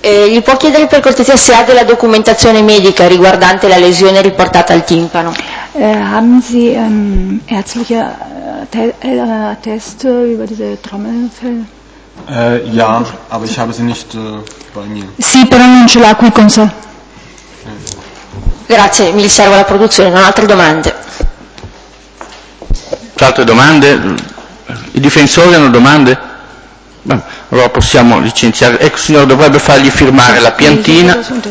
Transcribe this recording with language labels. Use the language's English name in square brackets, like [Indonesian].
[Italian] Gli può chiedere per cortesia se ha della documentazione medica riguardante la lesione riportata al timpano. [German] Haben Sie ärztliche Atteste über diese Trommelfell? Ja, aber ich habe sie nicht bei mir. [Italian] Sì, però non ce l'ha qui con sé. Grazie, mi riservo la produzione. Non altre domande. Altre domande? I difensori hanno domande? Allora possiamo licenziare. Ecco, signore, dovrebbe fargli firmare la piantina.